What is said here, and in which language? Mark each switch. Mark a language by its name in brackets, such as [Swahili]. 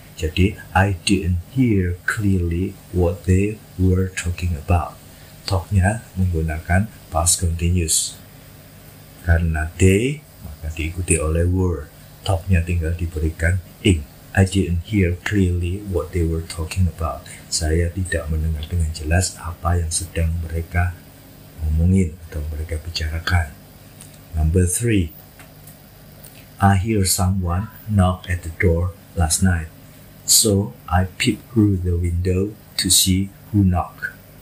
[Indonesian] Jadi, [English] I didn't hear clearly what they were talking about. [Indonesian] Talk-nya menggunakan past continuous. Karena they, maka diikuti oleh were. Talk-nya tinggal diberikan ing. [English] I didn't hear clearly what they were talking about. [Indonesian] Saya tidak mendengar dengan jelas apa yang sedang mereka ngomongin atau mereka bicarakan. [English] Number three, I hear someone knock at the door last night, so I peep through the window to see who knock.